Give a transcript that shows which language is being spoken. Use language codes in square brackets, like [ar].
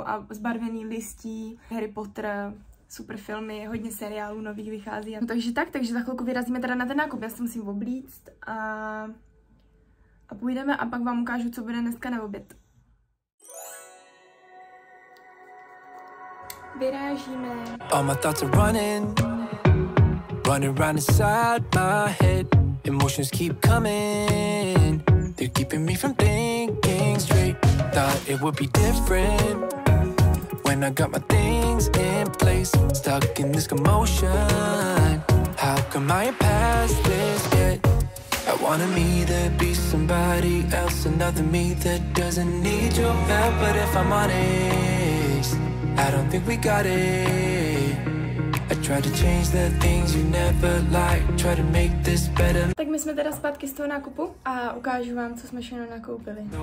[cs] A zbarvený listí, Harry Potter, super filmy, hodně seriálů nových vychází. No, takže za chvilku vyrazíme teda na ten nákup. Já se musím oblíct a půjdeme a pak vám ukážu, co bude dneska na oběd. Vyrážíme. [en] All my thoughts are running round inside my head. Emotions keep coming, they're keeping me from thinking straight. Thought it would be different when I got my things in place. Stuck in this commotion, how come I ain't past this yet? I wanted me to be somebody else, another me that doesn't need your help. But if I'm honest, I don't think we got it. Try to change the things you never liked. Try to make this better. [cs] Tak my jsme teda zpátky z toho nákupu a ukážu vám, co jsme všechno nakoupili.